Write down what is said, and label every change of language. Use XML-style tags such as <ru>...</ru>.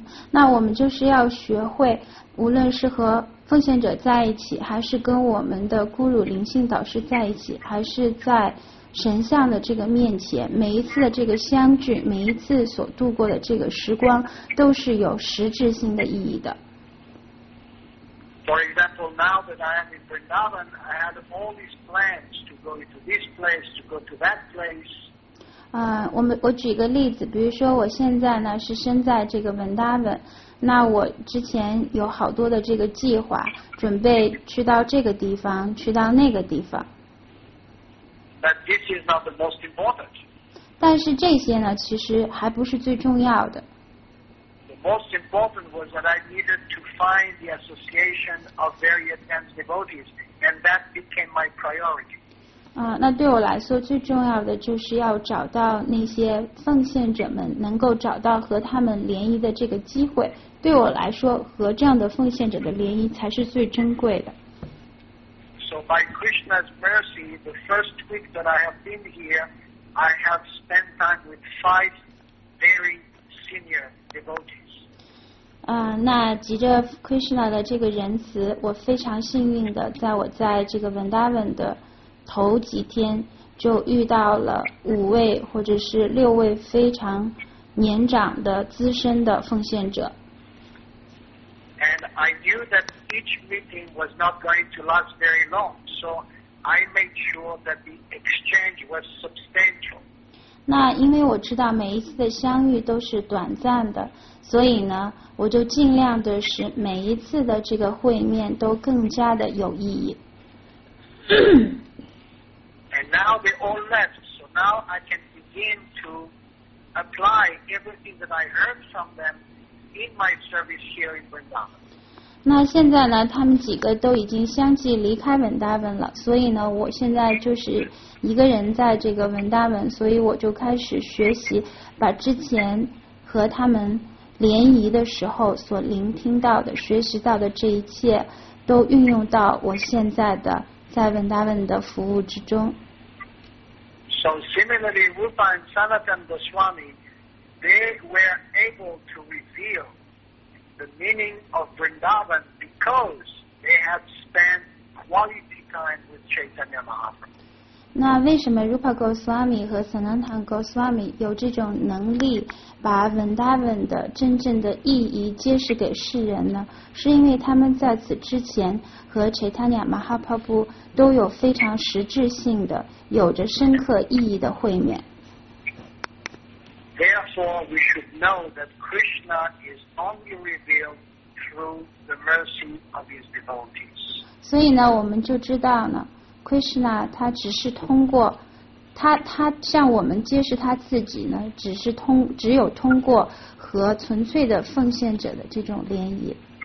<zh>那我们就是要学会，无论是和奉献者在一起，还是跟我们的孤乳灵性导师在一起，还是在神像的这个面前，每一次的这个相聚，每一次所度过的这个时光，都是有实质性的意义的。</zh> <en>For example, now that I am in Vrindavan, I had all these plans to go to this place, to go to that place.</en> <zh>我举个例子，比如说我现在呢是身在这个文达文，那我之前有好多的这个计划，准备去到这个地方，去到那个地方。</zh> <en>But this is not the most important.</en> <zh>但是这些呢，其实还不是最重要的。</zh> <en>The most important was that I needed to find the association of very advanced devotees, and that became my priority.</en> <zh>那对我来说最重要的就是要找到那些奉献者们，能够找到和他们联谊的这个机会。对我来说，和这样的奉献者的联谊才是最珍贵的。</zh> <en>So by Krishna's mercy, the first week that I have been here, I have spent time with five very senior devotees.</en> <zh>那吉哲 Krishna 的这个仁慈，我非常幸运的，在我在这个 Vrindavan 的头几天，就遇到了五位或者是六位非常年长的资深的奉献者。</zh> <en>And I knew that each meeting was not going to last very long, so I made sure that the exchange was substantial.</en> <zh>那因为我知道每一次的相遇都是短暂的，所以呢，我就尽量的使每一次的这个会面都更加的有意义。</zh> <en>And now they all left, so now I can begin to apply everything that I heard from them in my service here in Vrindavan.</en> <zh>那现在呢，他们几个都已经相继离开 Vrindavan 了，所以呢，我现在就是一个人在这个 Vrindavan， 所以我就开始学习把之前和他们联谊的时候所聆听到的、学习到的这一切，都运用到我现在的在 Vrindavan 的服务之中。</zh> <en>So similarly, Rupa and Sanatan Goswami, they were able to reveal the meaning of Vrindavan because they had spent quality time with Chaitanya Mahaprabhu.</en> <zh>那为什么 Rupa Goswami 和 Sanatan Goswami 有这种能力把 Vrindavan 的真正的意义揭示给世人呢？是因为他们在此之前和 Chaitanya Mahaprabhu 都有非常实质性的、有着深刻意义的会面。</zh> <en>Therefore, we should know that Krishna is only revealed through the mercy of his devotees.</en> <zh>所以呢，我们就知道呢 ，Krishna 他只是通过他向我们揭示他自己呢，只有通过和纯粹的奉献者的这种联谊。</zh>